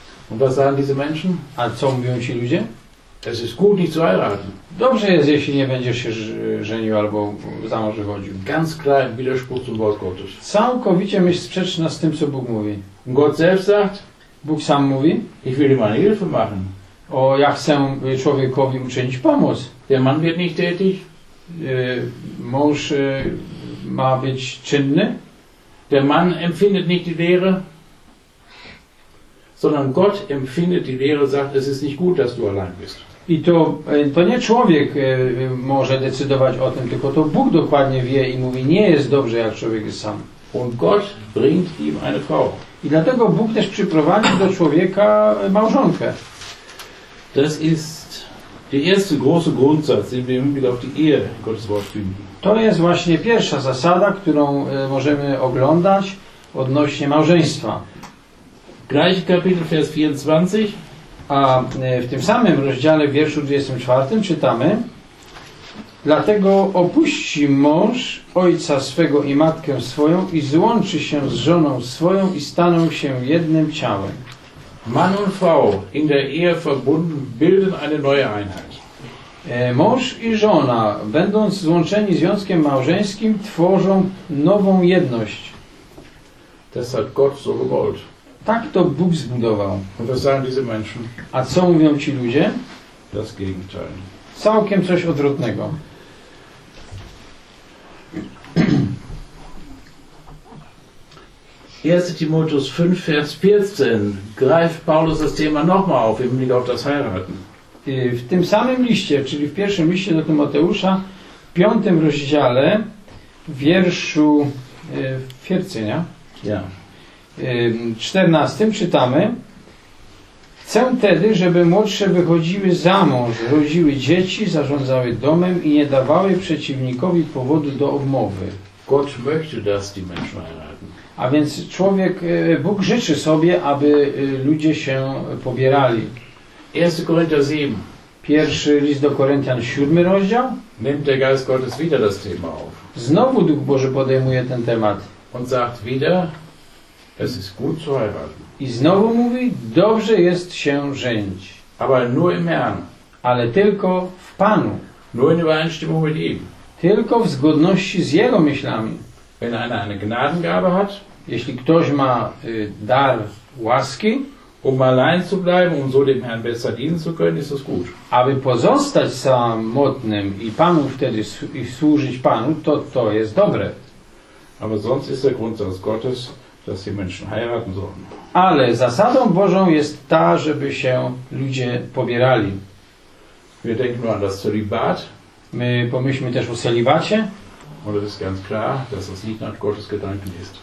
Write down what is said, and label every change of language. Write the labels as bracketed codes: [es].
[de] Und was sagen diese Menschen? [pl] A co mówią ci ludzie? [de] Es ist gut, nicht zu heiraten. [pl] Dobrze jest, jeśli nie będziesz się żenił albo za mąż wychodził. [de] Ganz klar im Widerspruch zum Wort Gottes. [pl] Całkowicie myśl sprzeczna z tym, co Bóg mówi. [de] Und Gott selbst sagt, [pl] Bóg sam mówi, [de] ich will ihm eine Hilfe machen. [pl] O, ja chcę człowiekowi uczynić pomoc. [de] Der Mann wird nicht tätig. [pl] Mąż ma być czynny. [de] Der Mann empfindet nicht die Leere. Sondern Gott empfindet die Leere, sagt, es ist nicht gut, dass du allein bist. [pl] I to nie człowiek może decydować o tym, tylko to Bóg dokładnie wie i mówi, nie jest dobrze, jak człowiek jest sam. [de] Und Gott bringt ihm eine Frau. [pl] I dlatego Bóg też przyprowadził do człowieka małżonkę. [de] Das ist der erste große Grundsatz, den wir wieder auf die Ehe Gottes Wort finden. [pl] To jest właśnie pierwsza zasada, którą możemy oglądać odnośnie małżeństwa. [de] Gleiche Kapitel, Vers 24. [pl] A w tym samym rozdziale, w wierszu 24, czytamy: dlatego opuści mąż ojca swego i matkę swoją i złączy się z żoną swoją i staną się jednym ciałem. [de] Mann und Frau in der Ehe verbunden bilden eine neue Einheit. [pl] Mąż i żona, będąc złączeni związkiem małżeńskim, tworzą nową jedność. [de] Das hat Gott so gewollt. [pl] Tak to Bóg zbudował. [de] Was sagen diese Menschen? [pl] A co mówią ci ludzie? [de] Das Gegenteil. [pl] Całkiem coś odwrotnego. [de] Erste Timotheus 5, Vers 14 greift Paulus das Thema nochmal auf, im Blick auf das Heiraten. [pl] W tym samym liście, czyli w pierwszym liście do Tymoteusza, w piątym rozdziale, w wierszu 14, nie? [de] Ja. [pl] W 14 czytamy: chcę tedy, żeby młodsze wychodziły za mąż, rodziły dzieci, zarządzały domem i nie dawały przeciwnikowi powodu do obmowy. [de] Gott möchte, dass die Menschen heiraten. [pl] A więc człowiek, Bóg życzy sobie, aby ludzie się pobierali. [de] 1. Korinther 7. [pl] Pierwszy list do Koryntian, 7 rozdział. [de] Nimmt der Geist Gottes wieder das Thema auf. [pl] Znowu Duch Boży podejmuje ten temat. [de] Und sagt wieder: es ist gut zu heiraten. [pl] I znowu mówi, dobrze jest się żenić. [de] Aber nur im Herrn. [pl] Ale tylko w Panu. [de] Nur in Übereinstimmung mit ihm. [pl] Tylko w zgodności z Jego myślami. [de] Wenn einer eine Gnadengabe hat, [pl] jeśli ktoś ma dar łaski, [de] um allein zu bleiben, um so dem Herrn besser dienen zu können, ist das gut. [pl] Aby pozostać samotnym i Panu wtedy i służyć Panu, to jest dobre. [de] Aber sonst ist der Grundsatz Gottes, dass die Menschen heiraten sollen. [pl] Ale zasadą Bożą jest ta, żeby się ludzie pobierali. [de] Wir denken nur an das Zölibat. [pl] My pomyślmy też o celibacie. [de] Und es ist ganz klar, dass das nicht nach Gottes Gedanken ist.